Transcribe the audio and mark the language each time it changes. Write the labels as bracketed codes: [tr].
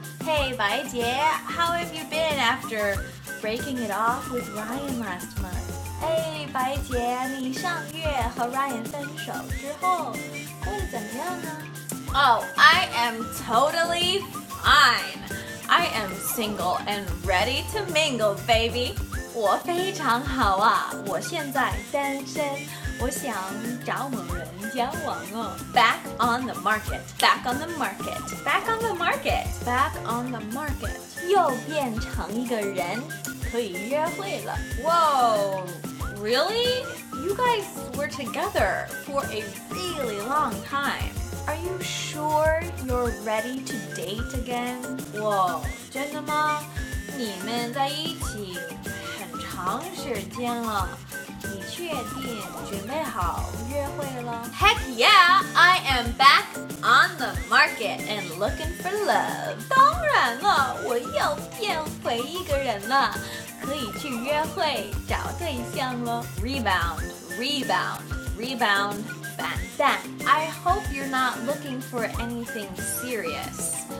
[en] Hey, 白杰， how have you been after breaking it off with Ryan last month? [zh] Hey, 白杰，你上月和 Ryan 分手之后会怎么样呢？ [en] Oh, I am totally fine. I am single and ready to mingle, baby. [zh] 我非常好啊，我现在单身，我想找某人交往哦。 [en] Back on the market, back on the market, back on the market, back on the market. [zh] 又变成一个人，可以约会了。 [en] Whoa, really? You guys were together for a really long time. Are you sure you're ready to date again? [zh] 哇，真的吗？你们在一起很长时间了，你确定准备好约会了？ [en] Heck yeah! I am back on the market and looking for love. [zh] 当然了，我又变回一个人了，可以去约会找对象了。 [en] Rebound, rebound, rebound. Then, I hope you're not looking for anything serious.